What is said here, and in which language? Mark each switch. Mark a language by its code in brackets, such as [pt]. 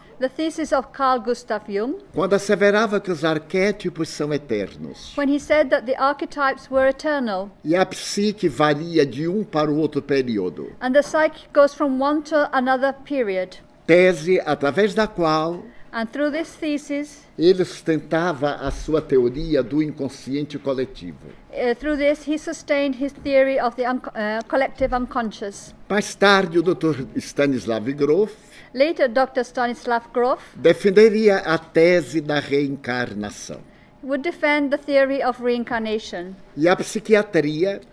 [en] The thesis of Carl Gustav Jung. [pt] Quando asseverava que os arquétipos são eternos. [en] When he said that the archetypes were eternal. [pt] E a psique varia de um para o outro período. [en] And the psyche goes from one to another period. [pt] Tese através da qual, [en] and through this thesis, [pt] ele sustentava a sua teoria do inconsciente coletivo. [en] Through this, he sustained his theory of the collective unconscious. [pt] Mais tarde, o Dr. Stanislav Grof, [en] later, Dr. Stanislav Grof, [pt] defenderia a tese da reencarnação. [en] Would defend the theory of reincarnation. [pt] E a psiquiatria,